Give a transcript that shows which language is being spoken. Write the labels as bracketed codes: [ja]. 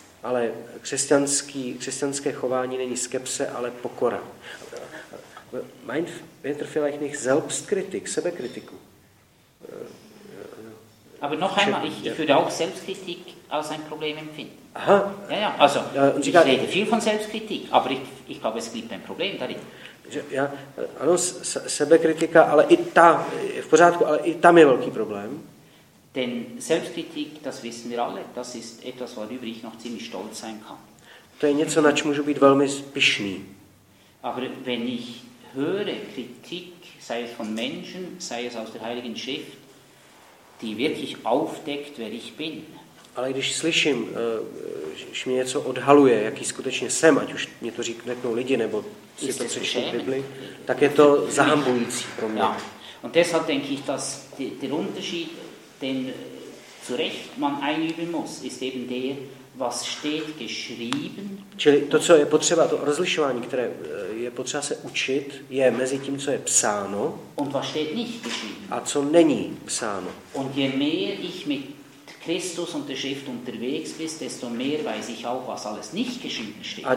[cs] Ale křesťanské chování není skepse, ale pokora. [de] Meint Peter vielleicht nicht Selbstkritik, sebekritiku? Aber noch einmal, ich würde auch Selbstkritik als ein Problem empfinden. Aha. Ja, also ich rede viel von Selbstkritik, aber ich glaube, es gibt ein Problem darin. [cs] Ano, sebekritika, ale i ta je v pořádku, ale i tam je velký problém. [de] Denn Selbstkritik, das wissen wir alle, das ist etwas, worüber ich noch ziemlich stolz sein kann. [cs] To je něco, nač můžu být velmi pyšný. [de] Aber wenn ich höre Kritik, sei es von Menschen, sei es aus der Heiligen Schrift, die wirklich aufdeckt, wer ich bin. [cs] Ale když slyším, že mě něco odhaluje, jaký skutečně jsem, ať už mě to řeknou lidi, nebo si to přečtou v Bibli, tak je to zahambující pro mě. Ja. [de] Und deshalb denke ich, dass der Unterschied, den zu Recht man einüben muss, ist eben der, was steht geschrieben. [cs] Čili to, co je potřeba, to rozlišování, které je potřeba se učit, je mezi tím, co je psáno [de] und was steht nicht geschrieben. [cs] A co není psáno. [de] Und je mehr ich mit Christus und der Schrift unterwegs bist, desto mehr weiß ich auch, was alles nicht geschrieben steht.